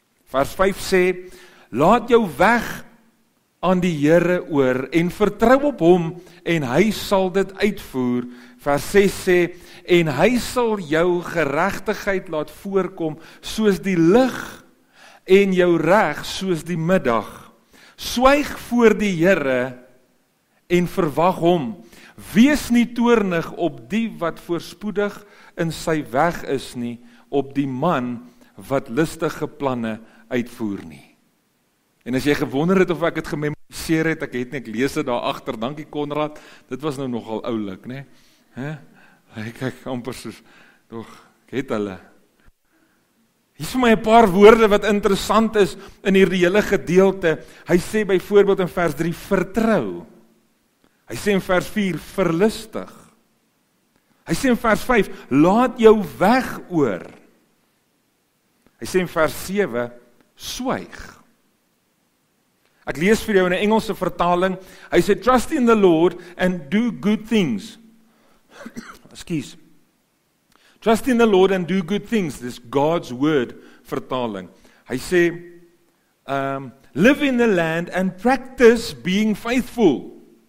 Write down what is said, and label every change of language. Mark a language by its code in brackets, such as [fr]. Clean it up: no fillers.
[af] Vers 5 sê, laat jou weg aan die Here oor en vertrou op hom en hy sal dit uitvoer. Vers 6 sê, en hy sal jou geregtigheid laat voorkom soos die lig en jou reg soos die middag. Swyg voor die Here en verwag hom. Wees nie toornig op die wat voorspoedig in sy weg is nie, op die man wat listige planne uitvoer nie. En as jy gewonder het of ek het gememoriseer het, ek het net lees dit daar agter. Dankie Konrad. Dit was nou nogal oulik, né? Ek kyk amper soos nog het hulle. Hier is vir my 'n paar woorde wat interessant is in hierdie hele gedeelte. Hy sê byvoorbeeld in vers 3 vertrou. Hy sê in vers 4 verlustig. Hy sê in vers 5 laat jou weg oor. Hy sê in vers 7 swyg. Ek lees vir jou in 'n Engelse vertaling. Hy sê [en] trust in the Lord and do good things. Excuse. Trust in the Lord and do good things. This God's word vertaling. [af] Hy sê, [en] live in the land and practice being faithful.